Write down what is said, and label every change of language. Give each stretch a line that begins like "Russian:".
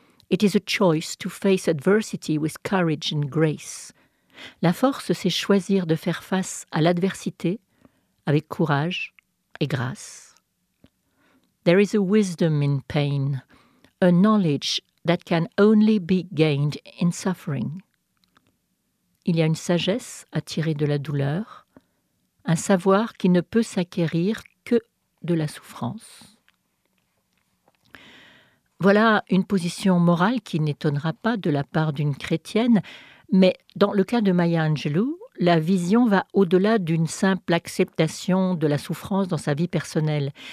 English: It is a choice to face adversity with courage and grace.
French: La force, c'est choisir de faire face à l'adversité avec courage et grâce.
English: There is a wisdom in pain, a knowledge that can only be gained in suffering.
French: Il y a une sagesse à tirer de la douleur, un savoir qui ne peut s'acquérir que de la souffrance. Voilà une position morale qui n'étonnera pas de la part d'une chrétienne, mais dans le cas de Maya Angelou, la vision va au-delà d'une simple acceptation de la souffrance dans sa vie personnelle.